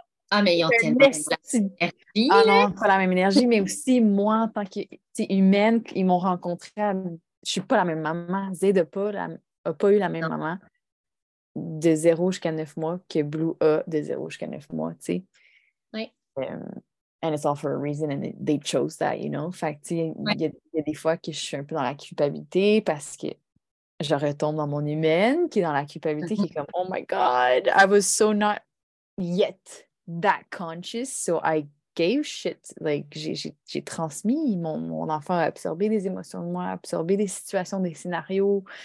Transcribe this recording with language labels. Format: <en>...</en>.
<fr>Ah, mais ils ont tellement de la même énergie. Ah non, pas la même énergie, mais aussi moi, en tant qu'humaine, ils m'ont rencontrée. À... Je suis pas la même maman. Zed n'a pas eu la même non. maman de 0 jusqu'à 9 mois que Blue a de 0 jusqu'à 9 mois, tu sais. Oui.</fr> <en>And it's all for a reason, and they chose that, you know.</en> <fr>Fait que, tu sais, il y a des fois que je suis un peu dans la culpabilité parce que je retombe dans mon humaine qui est dans la culpabilité, qui est comme,</fr> <en>oh my God, I was so not yet. That conscious, so I gave shit. Like,</en> <fr>j'ai transmis, mon enfant a absorbé des émotions de moi, a absorbé des situations, des scénarios.</fr>